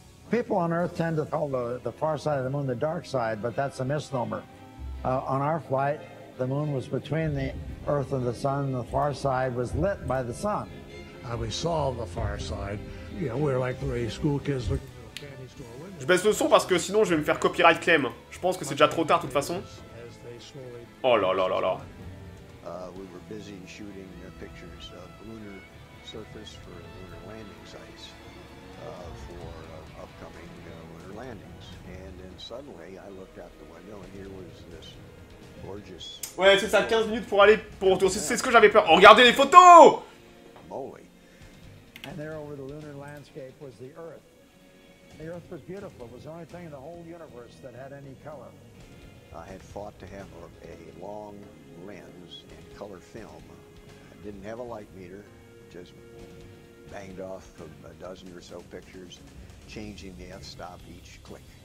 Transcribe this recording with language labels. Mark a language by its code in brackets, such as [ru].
[en] People on Earth tend to call the far side of the moon the dark side, but that's a misnomer. On our flight, the moon was between the Earth and the sun, and the far side was lit by the sun. We saw the far side. You know, we're like three school kids looking through a candy store window. [fr] Je baisse le son parce que sinon je vais me faire copyright claim. Je pense que c'est déjà trop tard de toute façon. Oh là là là là. [en] We were busy shooting pictures of lunar surface for lunar landing sites for upcoming lunar landings. And then suddenly I looked out the window and here was this. [fr] Ouais, c'est ça, 15 minutes pour aller pour retour. C'est ce que j'avais peur. Oh, regardez les photos! [en] And there over the lunar landscape was the Earth. The Earth was beautiful. It was the only thing in the whole universe that had any color. I had fought to have a long lens and color film. I didn't have a light meter. Just banged off of a dozen or so pictures, changing the f-stop each click.